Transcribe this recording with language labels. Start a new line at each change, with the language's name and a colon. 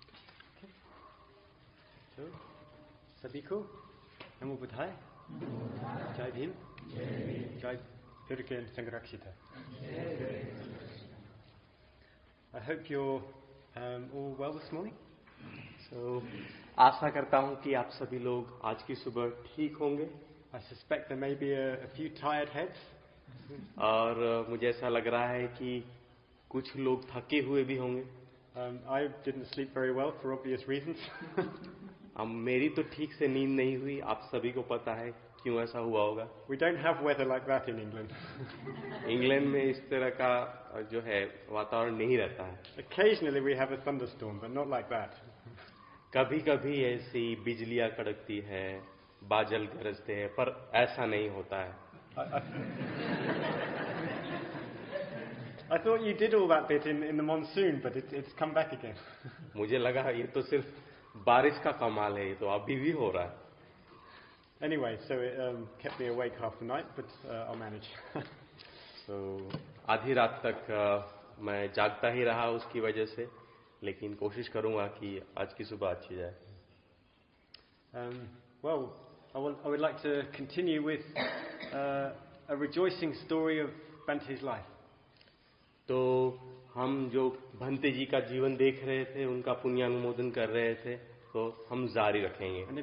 Hindi: सबको, सभी को नमो बुधाय, जय भीम, जय फिर के संरक्षित है।
English: I hope you're all well this morning. So,
Hindi: आशा करता हूँ कि आप सभी लोग आज की सुबह ठीक होंगे।
English: I suspect there may be a few tired heads.
Hindi: और मुझे ऐसा लग रहा है कि कुछ लोग थके हुए भी होंगे।
English: I didn't sleep very well for obvious reasons.
Hindi: मेरी तो ठीक से नींद नहीं हुई, आप सभी को पता है क्यों ऐसा हुआ होगा।
English: We don't have weather like that in England.
Hindi: England में इस तरह का जो है वातावरण नहीं रहता है।
English: Occasionally we have a thunderstorm, but not like that.
Hindi: कभी कभी ऐसी बिजलियां कड़कती है, बादल गरजते हैं, पर ऐसा नहीं होता है।
English: I thought you did all that bit in the monsoon, but it's come back again.
Hindi: मुझे लगा ये तो सिर्फ बारिश का कमाल है, ये तो अभी भी हो रहा है।
English: Anyway, so it kept me awake half the night, but I'll manage.
Hindi: So आधी रात तक मैं जागता ही रहा उसकी वजह से, लेकिन कोशिश करूंगा कि आज की सुबह अच्छी जाए।
English: Well, I would like to continue with a rejoicing story of Bhante's life.
Hindi: तो हम जो भंते जी का जीवन देख रहे थे, उनका पुण्यानुमोदन कर रहे थे, तो हम जारी रखेंगे।